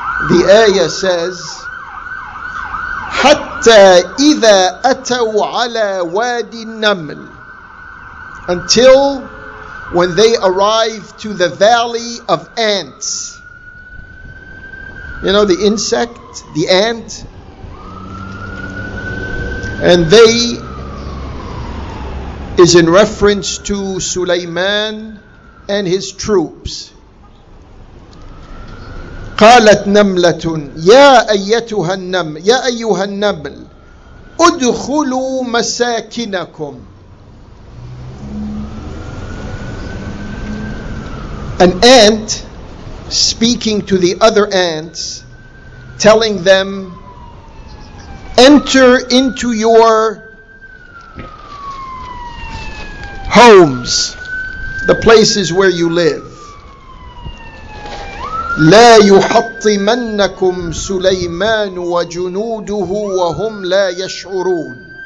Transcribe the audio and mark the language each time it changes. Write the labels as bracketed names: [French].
[English] the ayah says, [Arabic] حَتَّى إِذَا أَتَوْا عَلَى وَادِ النَّمْلِ, [English] until when they arrive to the valley of ants. You know, the insect, the ant. And they is in reference to Sulaiman and his troops. [Arabic] قالت نملة يا أيتها النمل يا أيها النمل ادخلوا مساكنكم. [English] An ant speaking to the other ants, telling them, enter into your homes, the places where you live. [Arabic] لا يحطمنكم سليمان وجنوده وهم لا يشعرون.